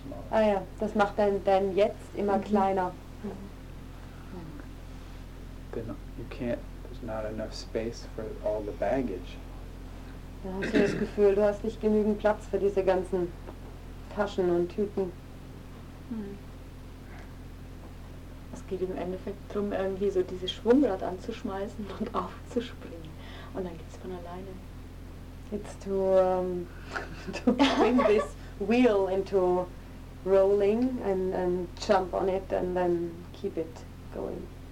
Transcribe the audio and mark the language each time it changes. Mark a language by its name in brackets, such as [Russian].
[German] Ah ja, das macht dein Jetzt immer kleiner. [English] Then you can't, there's not enough space for all the baggage. [German] Da hast du das Gefühl, du hast nicht genügend Platz für diese ganzen Taschen und Tüten. Es geht im Endeffekt darum, irgendwie so dieses Schwungrad anzuschmeißen und aufzuspringen. Und dann geht es von alleine. [English] It's to bring this wheel into rolling and jump on it and then keep it going.